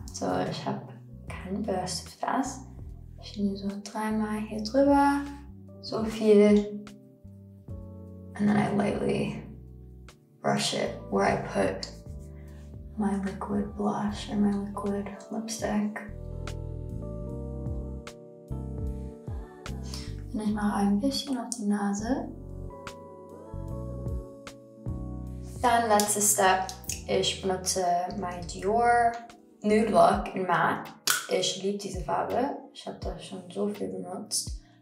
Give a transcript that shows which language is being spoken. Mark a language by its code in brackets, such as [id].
[de] So, ich habe keine Bürste für das. Ich nehme so dreimal hier drüber. So viel [en] and then I lightly brush it where I put my liquid blush or my liquid lipstick. [de] Und ich mache ein bisschen auf die Nase. Dann letzte Step. Ich benutze mein Dior Nude Look in Matte. Ich liebe diese Farbe. Ich habe das schon so viel benutzt.